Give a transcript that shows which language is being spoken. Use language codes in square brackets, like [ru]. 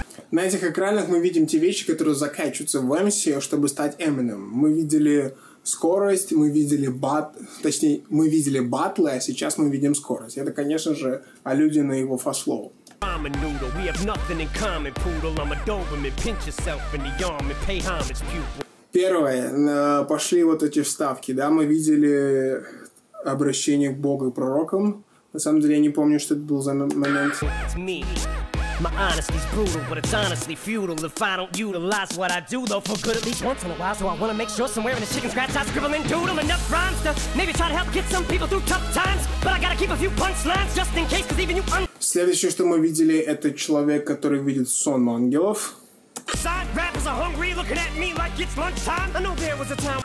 [ru] На этих экранах мы видим те вещи, которые закачиваются в MC, чтобы стать Eminem. Мы видели скорость, мы видели батлы, а сейчас мы видим скорость. Это, конечно же, аллюзия на его фастфлоу. [en] ramen noodle. We have nothing in common, poodle. I'm a doberman, pinch yourself in the arm and pay homage, pupil. [ru] Первое, пошли вот эти вставки, да, мы видели обращение к Богу и пророкам. На самом деле, я не помню, что это был за момент. [en] My honesty's brutal, but it's honestly futile if I don't utilize what I do, though, for good at least once in a while. So I wanna make sure somewhere in the chicken scratch I scribble and doodle enough rhymes to maybe try to help get some people through tough times. But I gotta keep a few punchlines just in case, cause even you un... [ru] Следующее, что мы видели, это человек, который видит сон ангелов. [en] Side rappers are hungry, looking at me like it's lunchtime. I know there was a time...